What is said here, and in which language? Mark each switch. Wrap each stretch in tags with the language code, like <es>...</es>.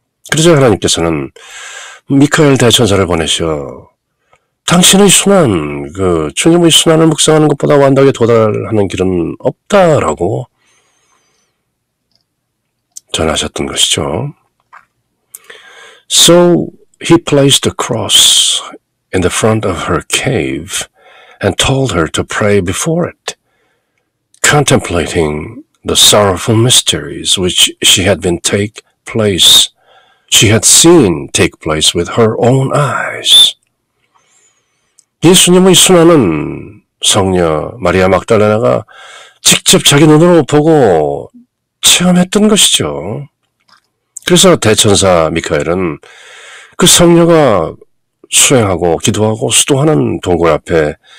<ko>그러자 하나님께서는 미카엘 대천사를 보내시어 당신의 순환, 그 주님의 순환을 묵상하는 것보다 완덕에 도달하는 길은 없다라고 전하셨던 것이죠.</ko> <en>So he placed a cross in the front of her cave and told her to pray before it, contemplating the sorrowful mysteries which she had seen take place with her own eyes.</en> <ko>예수님의 순환은 성녀 마리아 막달레나가 직접 자기 눈으로 보고 체험했던 것이죠. 그래서 대천사 미카엘은 그 성녀가 수행하고 기도하고 수도하는 동굴 앞에</ko>